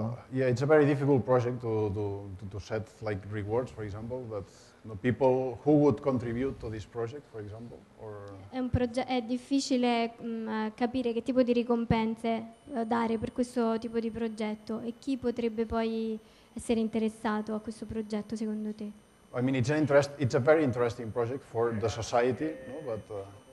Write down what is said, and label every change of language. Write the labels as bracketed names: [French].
[English] Yeah, it's a very difficult project to set like rewards, for example, but you know, people who would contribute to this project, for example, or... [Italian] È difficile capire che tipo di ricompense dare per questo tipo di progetto e chi potrebbe poi essere interessato a questo progetto, secondo te? [English] I mean, it's a very interesting project for the society, no? But...